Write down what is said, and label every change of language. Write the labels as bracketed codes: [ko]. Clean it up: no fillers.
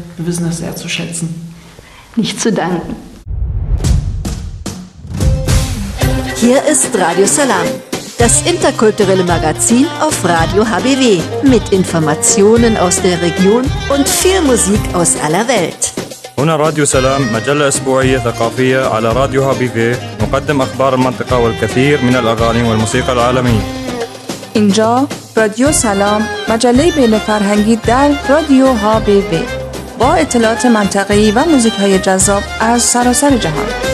[de] Wir wissen das sehr zu schätzen. Nicht zu danken. Hier ist Radio Salam. Das interkulturelle Magazin auf Radio HBW mit Informationen aus der Region und viel Musik aus aller Welt. [ar] هنا راديو سلام مجلة أسبوعية ثقافية على راديو HBW مقدم أخبار المنطقة والكثير من الأغاني والموسيقى العالمية. [fa] إنجا راديو سلام مجلة بين فرهنگی در راديو HBW با اطلاعات منطقی و موسیقی جذاب از سراسر جهان.